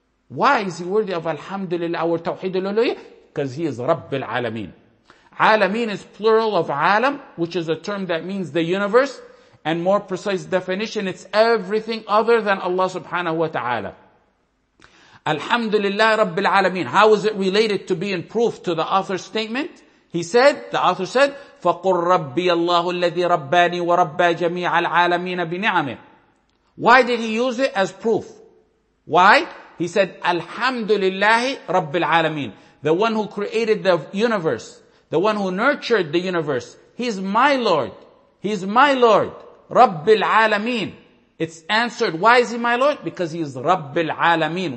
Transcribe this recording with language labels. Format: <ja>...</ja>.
<en>Why is he worthy of Alhamdulillah or Tawheed al-Uluhiyya? Because he is Rabb al-Alameen. Alameen is plural of alam, which is a term that means the universe. And more precise definition, it's everything other than Allah subhanahu wa ta'ala. Alhamdulillah Rabbil Alameen. How is it related to being proof to the author's statement? The author said,</en> <ar>فَقُلْ رَبِّيَ اللَّهُ الَّذِي رَبَّانِي وَرَبَّى جَمِيعَ الْعَالَمِينَ بِنِعَمِهِ.</ar> <en>Why did he use it as proof? Why? He said, Alhamdulillah Rabbil Alameen. The one who created the universe, the one who nurtured the universe, he's my Lord, Rabbil Alameen. It's answered, why is he my Lord? Because he is Rabbil Alameen.</en>